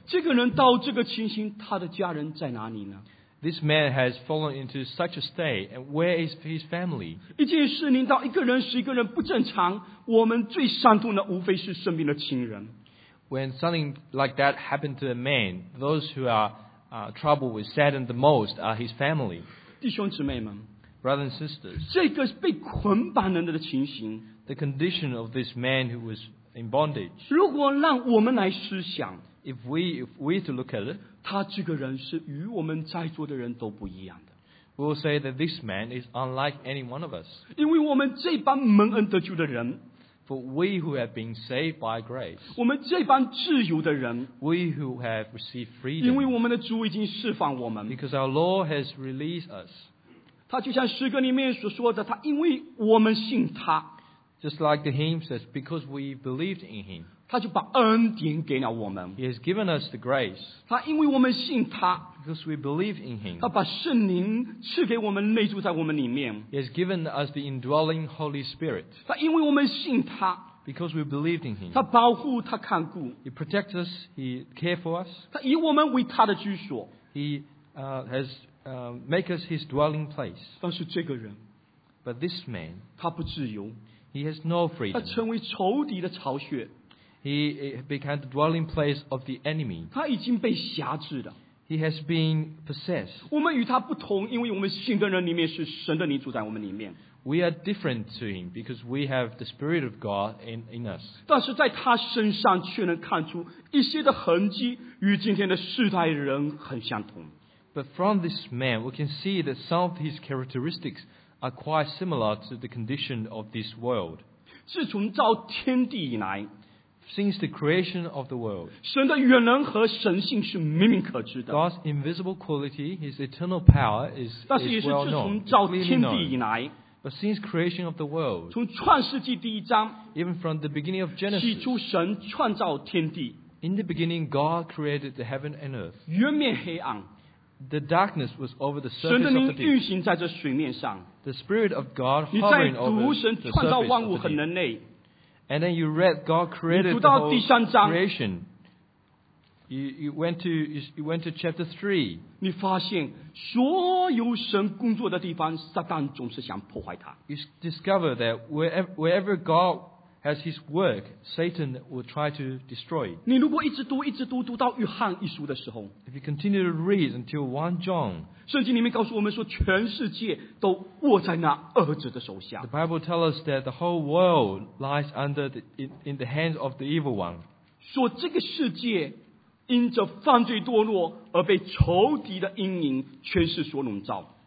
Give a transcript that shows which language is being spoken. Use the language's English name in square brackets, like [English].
[Chinese] 这个人到这个情形，他的家人在哪里呢？ [English] This man has fallen into such a state, and where is his family? [Chinese] 一件事临到一个人使一个人不正常，我们最伤痛的无非是身边的亲人。 [English] When something like that happened to a man, those who are troubled with saddened the most are his family. [Chinese] 弟兄姊妹们。 [English] Brothers and sisters, [Chinese] 这个被捆绑人的情形 [English] the condition of this man who was in bondage. [Chinese] 如果让我们来思想 [English] if we to look at it, [Chinese] 他这个人是与我们在座的人都不一样的 [English] We'll say that this man is unlike any one of us. [Chinese] 因为我们这帮蒙恩得救的人 [English] For we who have been saved by grace, [Chinese] 我们这帮自由的人 [English] We who have received freedom, [Chinese] 因为我们的主已经释放我们 [English] Because our Lord has released us. [Chinese] 他就像诗歌里面所说的，他因为我们信他 [English] ，Just like the hymn says, because we believed in him， [Chinese] 他就把恩典给了我们。 [English] He has given us the grace。 [Chinese] 他因为我们信他 [English] ，because we believe in him， [Chinese] 他把圣灵赐给我们，内住在我们里面。 [English] He has given us the indwelling Holy Spirit。 [Chinese] 他因为我们信他 [English] ，because we believed in him， [Chinese] 他保护他看顾 [English] ，He protects us, He cares for us。 [Chinese] 他以我们为他的居所 [English] He has make us his dwelling place. [Chinese] 但是这个人 [English] But this man, [Chinese] 他不自由 [English] he has no freedom. [Chinese] 他成为仇敌的巢穴 [English] He became the dwelling place of the enemy. [Chinese] 他已经被辖制了 [English] He has been possessed. [Chinese] 我们与他不同，因为我们信的人里面是神的灵住在我们里面 [English] We are different to him because we have the Spirit of God in us. [Chinese] 但是在他身上却能看出一些的痕迹，与今天的世代人很相同。 [English] But from this man, we can see that some of his characteristics are quite similar to the condition of this world. [Chinese] 自从造天地以来 [English] Since the creation of the world, [Chinese] 神的远能和神性是明明可知的 [English] God's invisible quality, his eternal power is well known. [Chinese] 但是也是自从造天地以来 [English] But since creation of the world, [Chinese] 从创世纪第一章 [English] even from the beginning of Genesis, [Chinese] 起初神创造天地 [English] In the beginning, God created the heaven and earth. [Chinese] 原面黑暗 [English] The darkness was over the surface of the deep. The Spirit of God hovering over the surface of the deep. And then you read God created the whole creation. You went to chapter 3. [Chinese] 你发现所有神工作的地方，撒旦总是想破坏它。 [English] You discover that wherever God as his work, Satan will try to destroy it. [Chinese] 你如果一直读一直读读到约翰一书的时候， [English] if you continue to read until 1 John, [Chinese] 圣经里面告诉我们说全世界都握在那恶者的手下。 [English] The Bible tells us that the whole world lies under the, in the hands of the evil one. [Chinese] 说这个世界因着犯罪堕落而被仇敌的阴影全是所笼罩。